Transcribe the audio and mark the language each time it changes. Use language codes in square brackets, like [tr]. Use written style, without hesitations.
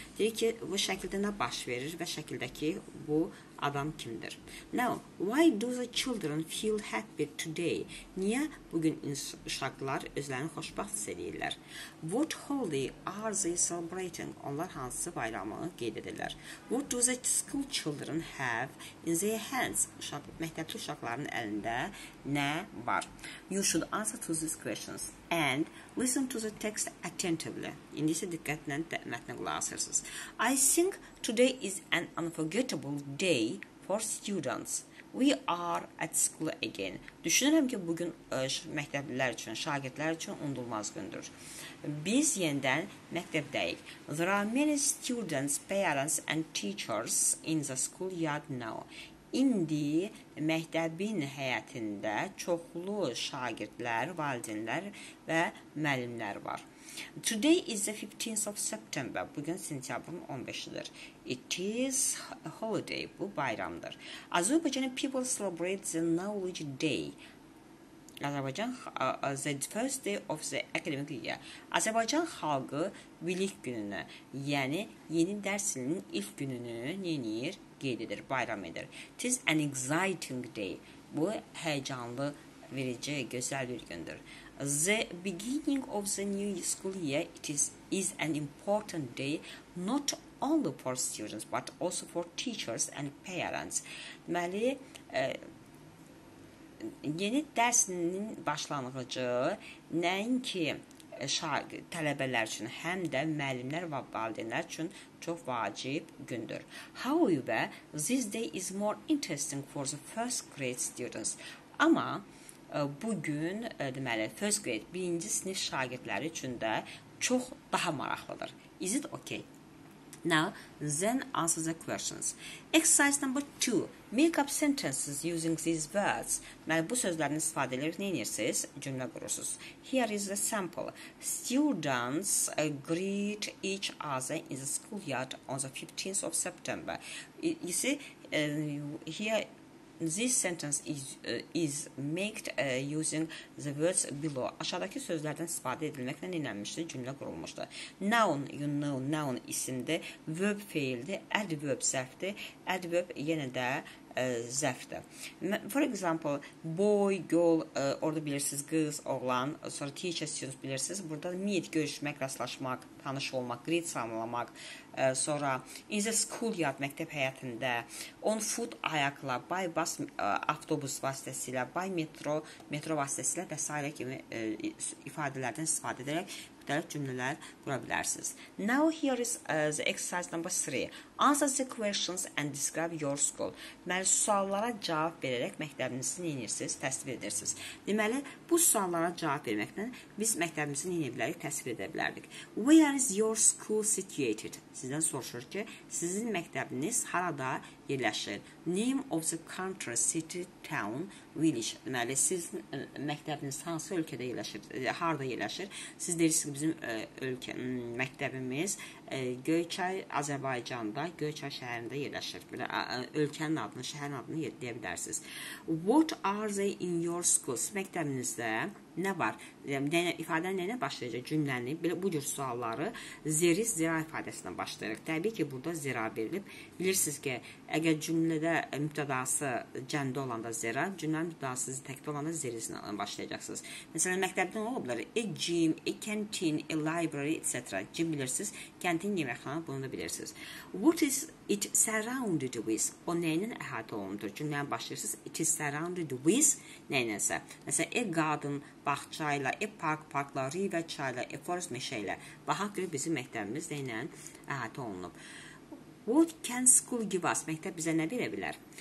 [az] Deyir ki, bu şəkildə nə baş verir və şəkildəki bu adam kimdir? [en] Now, why do the children feel happy today? [az] Niyə bugün uşaqlar özlərini xoşbaxt hiss edirlər? [en] What holiday are they celebrating? [az] Onlar hansı bayramı qeyd edirlər? [en] What do the school children have in their hands? [az] Məktəbli uşaqların əlində nə var? [en] You should answer to these questions and listen to the text attentively. [az] İndi isə diqqətlə mətnə qulaq asırsınız. [en] I think today is an unforgettable day for students. We are at school again. [az] Düşünürəm ki, bugün məktəblilər üçün, şagirdlər üçün unudulmaz gündür. Biz yenidən məktəbdəyik. [en] There are many students, parents and teachers in the school yard now. [az] İndi məktəbin həyətində çoxlu şagirdlər, valideynlər və müəllimlər var. [en] Today is the 15th of September. [az] Bugün sentyabrın 15-dir. [en] It is a holiday. [az] Bu bayramdır. [en] Azerbaijani people celebrate the knowledge day. Azerbaijan the first day of the academic year. [az] Azerbaijan xalqı bilik gününü, yəni yeni dərs ilinin ilk gününü nəyir? Qeyd edir, bayram edir. [en] It is an exciting day. [az] Bu həyecanlı, verici, gözəl bir gündür. [en] The beginning of the new school year is an important day not only for students but also for teachers and parents. [az] Deməli, yeni dərsinin başlanğıcı nəinki tələbələr üçün, həm də müəllimlər və valideynlər üçün çox vacib gündür. [en] However, this day is more interesting for the first grade students. [az] Amma bugün, deməli, [en] first grade, [az] birinci sinif şagirdləri üçün də çox daha maraqlıdır. [en] Is it okay? Now, then answer the questions. Exercise number 2. Make up sentences using these words. [az] Deməli, bu sözlərini istifadə edərək nə edirsiniz? Cümlə qurursunuz. [en] Here is the sample. Students greet each other in the schoolyard on the 15th of September. You see, here this sentence is made using the words below. [az] Aşağıdakı sözlərdən istifadə edilməklə nə edilmişdir? Cümlə qurulmuşdur. [en] Noun, you know, noun [az] isimdir. Verb feildir. Adverb zərfdir. Adverb yenə də zərfdir. [en] For example, boy, girl, [az] orada bilirsiniz, qız, oğlan, sonra teacher, student bilirsiniz. Burada meet, görüşmək, rastlaşmaq, tanış olmaq, greet, salamlamaq, sonra [en] in the schoolyard, [az] məktəb həyətində, [en] on foot, [az] ayaqla, [en] by bus, [az] avtobus vasitəsilə, [en] by metro, [az] metro vasitəsilə və s. kimi ifadələrdən istifadə edərək müxtəlif cümlələr qura bilərsiniz. [en] Now here is the exercise number 3. Answer the questions and describe your school. [az] Deməli, suallara cavab verərək məktəbinizi nəyinirsiniz, təsvir edirsiniz. Deməli, bu suallara cavab verməklə biz məktəbimizi nəyinə bilərik, təsvir edə bilərdik. [en] Where is your school situated? [az] Sizdən soruşur ki, sizin məktəbiniz harada yerləşir? [en] Name of the country, city, town, village. [az] Deməli, sizin məktəbiniz hansı ölkədə yerləşir, harada yerləşir? Siz deyirsiniz ki, bizim ölkə, məktəbimiz Göyçay, Azərbaycanda, Göyçay şəhərində yerləşir. Belə, ölkənin adını, şəhərin adını deyə bilərsiniz. [en] What are they in your school? [az] Məktəbinizdə nə var? İfadənin nəyə başlayacaq cümləni? Belə, bu cür sualları zeri, zira ifadəsindən başlayırıq. Təbii ki, burada zira verilib. Bilirsiniz ki, əgər cümlədə mübtədası cəmdə olanda zira, cümlənin mübtədası təkdə olanda zerisindən başlayacaqsınız. Məsələn, məktəbdə nə ola bilər? [en] A gym, a canteen, a library, etc. [az] Gym bilirsiniz, kəntin yeməkxana, bunu da bilirsiniz. [en] What is it surrounded with? [az] O nəyinin əhatə olunmuşdur? Cümləni başlayırsınız, [en] it is surrounded with [az] nəyinəsə. Məsələn, a garden, bağçayla, a park, parkla, river, çayla, a forest, meşəylə. Baxaq görə bizim məktəbimiz nəyinə əhatə olunub. [en] What can school give us? [az] Məktəb bizə nə verə bilər?